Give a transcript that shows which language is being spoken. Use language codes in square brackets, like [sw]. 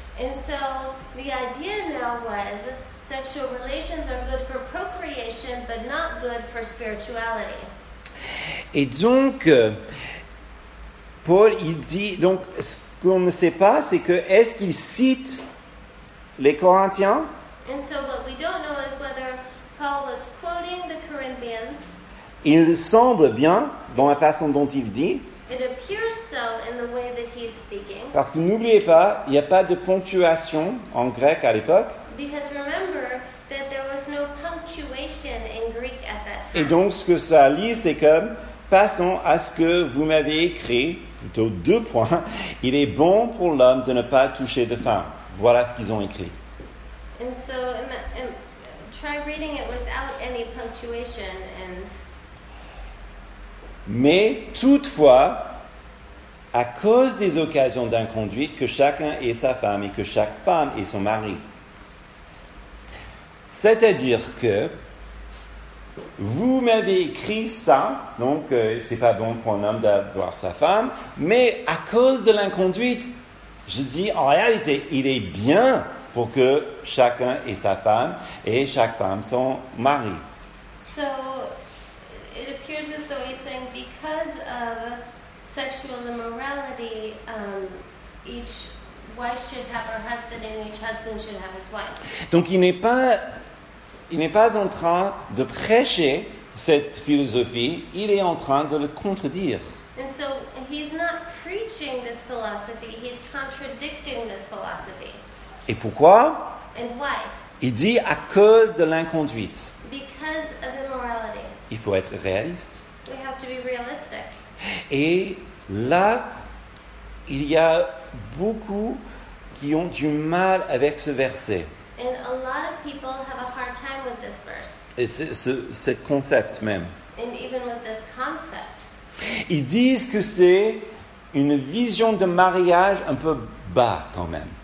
[en] And so the idea now was sexual relations are good for procreation but not good for spirituality. [fr] Et donc Paul, il dit, donc ce qu'on ne sait pas, c'est que est-ce qu'il cite les Corinthiens? [en] And so what we don't know is whether Paul was quoting the Corinthians. [fr] Il semble bien dans la façon dont il dit. [en] It appears so in the way that he's speaking. [fr] Parce que n'oubliez pas, il n'y a pas de ponctuation en grec à l'époque. [en] Because remember that there was no punctuation in Greek at that time. [fr] Et donc ce que ça lit, c'est comme passons à ce que vous m'avez écrit, plutôt deux points. Il est bon pour l'homme de ne pas toucher de femme. Voilà ce qu'ils ont écrit. [en] And so, try reading it without any punctuation. And [fr] mais toutefois, à cause des occasions d'inconduite, que chacun ait sa femme et que chaque femme ait son mari. C'est-à-dire que vous m'avez écrit ça, donc c'est pas bon pour un homme d'avoir sa femme, mais à cause de l'inconduite, je dis en réalité, il est bien pour que chacun ait sa femme et chaque femme son mari. [en] So, it appears as though he's saying because of sexual immorality, each wife should have her husband and each husband should have his wife. [fr] Donc il n'est pas en train de prêcher cette philosophie, il est en train de le contredire. [en] And so he's not preaching this philosophy, he's contradicting this philosophy. [fr] Et pourquoi? [en] And why? [fr] Il dit à cause de l'inconduite. [en] Because of immorality. [fr] Il faut être réaliste. [en] We have to be realistic. [fr] Et là, il y a beaucoup qui ont du mal avec ce verset. [en] And a lot of people have a hard time with this verse. [fr] Et ce concept même. [en] And even with this concept. [fr] Ils disent que c'est une vision de mariage un peu bas quand même.